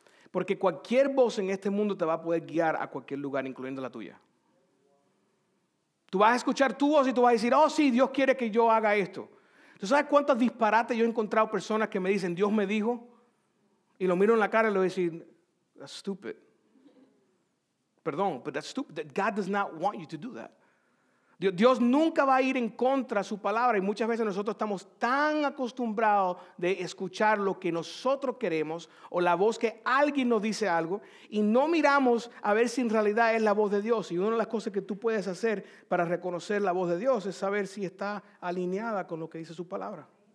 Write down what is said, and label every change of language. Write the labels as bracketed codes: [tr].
[es] Porque cualquier voz en este mundo te va a poder guiar a cualquier lugar, incluyendo la tuya. Tú vas a escuchar tu voz y tú vas a decir, oh sí, Dios quiere que yo haga esto. ¿Tú sabes cuántos disparates yo he encontrado personas que me dicen, Dios me dijo? Y lo miro en la cara y le voy a decir, [en] that's stupid. [es] Perdón, [en] but that's stupid. God does not want you to do that. [es] Dios nunca va a ir en contra de su palabra, y muchas veces nosotros estamos tan acostumbrados de escuchar lo que nosotros queremos o la voz que alguien nos dice algo y no miramos a ver si en realidad es la voz de Dios. Y una de las cosas que tú puedes hacer para reconocer la voz de Dios es saber si está alineada con lo que dice su palabra.